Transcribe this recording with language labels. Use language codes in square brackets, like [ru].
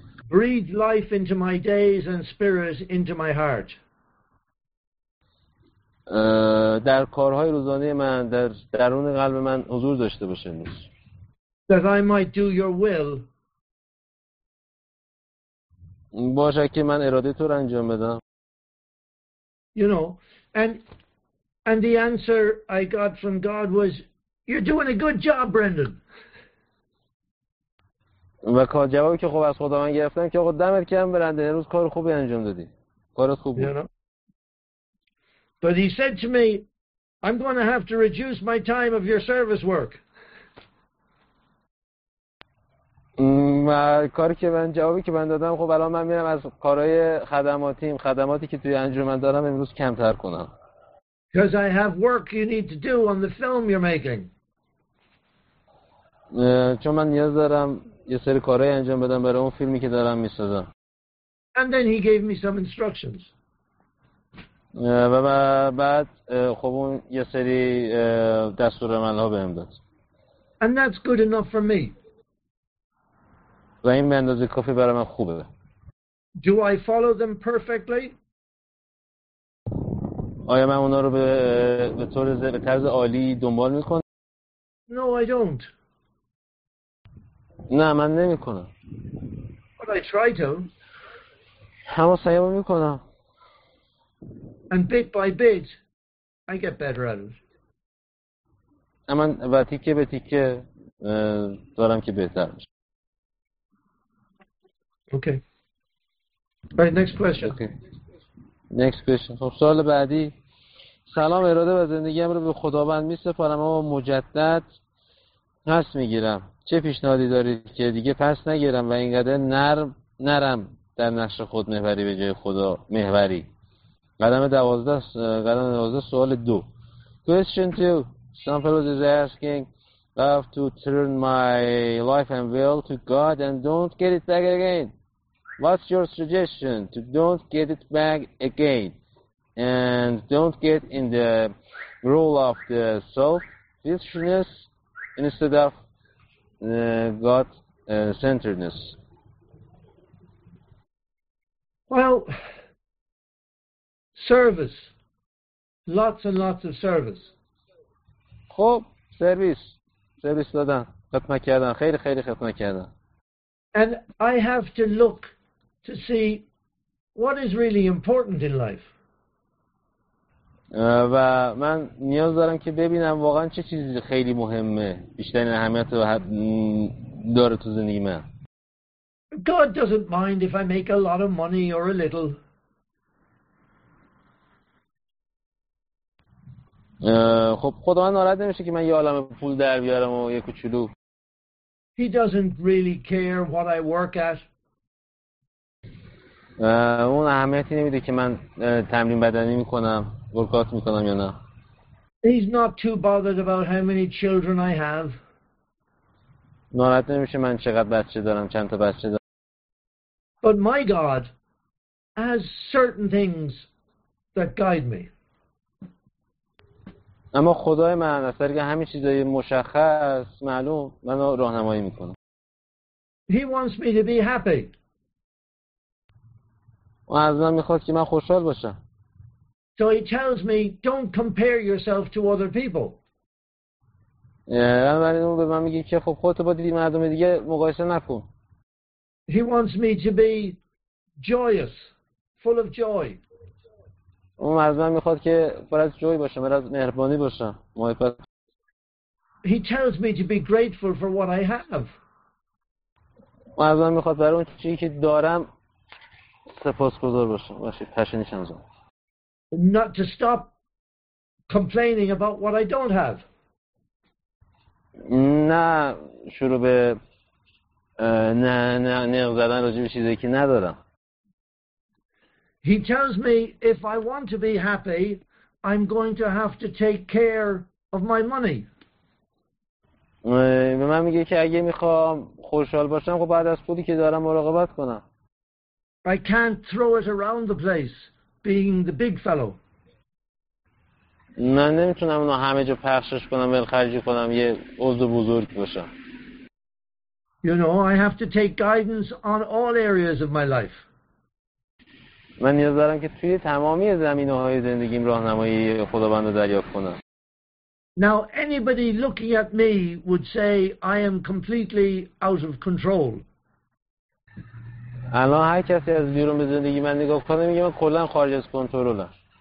[en] Breathe life into my days and spirit into my heart. [fa] در کارهای روزانه من در درون قلب من حضور داشته باشه. [en] That I might do your will. [fa] باشه که من اراده تو رو انجام بدم. [en] You know, and the answer I got from God was, you're doing a good job, Brendan. [fa] و جوابی که خوب از خدا من گرفتم که آقا دمت گرم برندن، امروز کار خوبی انجام دادی. کارت خوب بود. [en] You know? But he said to me, I'm going to have to reduce my time of your service work. [fa] و کاری که من جوابی که من دادم خب الان من میرم از کارهای خدماتیم خدماتی که توی انجام دارم امروز کمتر کنم. [en] Because I have work you need to do on the film you're making. [fa] چون من نیاز دارم یه سری کارهای انجام بدم برای اون فیلمی که دارم میسازم. [en] And then he gave me some instructions. [fa] و بعد خب اون یه سری دستور عمل ها بهم داد. [en] And that's good enough for me. [fa] و این به اندازه کافی برای من خوبه. [en] Do I follow them perfectly? [fa] آیا من اونا رو به طرز عالی دنبال میکنم؟ [en] No, I don't. [fa] نه من نمی کنم. [en] But I try to. [fa] همه سعی می کنم. [en] And bit by bit, I get better at it. [fa] اما و تیکه به تیکه دارم که بهتر میشه. [en] Okay. Right, next question. Okay. Next question. [fa] خب سوال بعدی. سلام، اراده و زندگیم رو به خداوند می سپارم اما مجدد پس می گیرم. چه پیشنهادی دارید که دیگه پس نگیرم و اینقدر نرم در نقش خود محوری به جای خدا محوری. قدم دوازده سوال دو. [en] Question two. Some fellows is asking, I have to turn my life and will to God and don't get it back again. What's your suggestion to don't get it back again and don't get in the role of the selfishness instead of God-centeredness? Well, service. Lots and lots of service. [fa] خب، سرویس. سرویس دادن. خدمت کردن. خیلی خیلی خدمت کردن. [en] And I have to look to see what is really important in life. [fa] و من نیاز دارم که ببینم واقعا چه چیزی خیلی مهمه، بیشترین اهمیت رو داره تو زندگی من. [en] God doesn't mind if I make a lot of money or a little. [fa] خب خدا من ناراحت نمیشه که من یه عالمه پول در بیارم و یه کوچولو. [en] He doesn't really care what I work at. [fa] اون اهمیتی نمیده که من تمرین بدنی میکنم، ورکات میکنم یا نه. [en] He's not too bothered about how many children I have. [fa] ناراحت نمیشه من چقدر بچه دارم، چند تا بچه دارم. [en] But my God has certain things that guide me. [fa] اما خدای من از طریق همین چیزای مشخص معلوم منو راهنمایی میکنه. [en] He wants me to be happy. [fa] اون از من میخواد که من خوشحال باشم. [en] So he tells me don't compare yourself to other people. [fa] اما اون به من میگه که خب خودتو با دیگه مردم دیگه مقایسه نکن. [en] He wants me to be joyous, full of joy. [fa] اون از من میخواد که پر از جوی باشم، پر از مهربانی باشم، محبت. [en] He tells me to be grateful for what I have. [fa] اون از من میخواد برای اون چیزی که دارم سپاسگزار باشم، باشه پشنیشم زن. [en] Not to stop complaining about what I don't have. [fa] نه شروع به نه نه نه زدن راجع به چیزی که ندارم. [en] He tells me if I want to be happy, I'm going to have to take care of my money. [fa] به من میگه که اگه میخوام خوشحال باشم خب بعد از پولی که دارم مراقبت کنم. [en] I can't throw it around the place being the big fellow. [fa] من نمیتونم اونو همه جا پخشش کنم، ولخرجی کنم، یه عضو بزرگ باشم. [en] You know, I have to take guidance on all areas of my life. [fa] من نیاز دارم که توی تمامی زمینه‌های زندگیم راهنمایی خداوند رو دریافت کنم. [en] Now anybody looking at me would say I am completely out of control. [fa] الان هر کسی از بیرون به زندگی من نگاه کنه میگه من کلا خارج از کنترلم.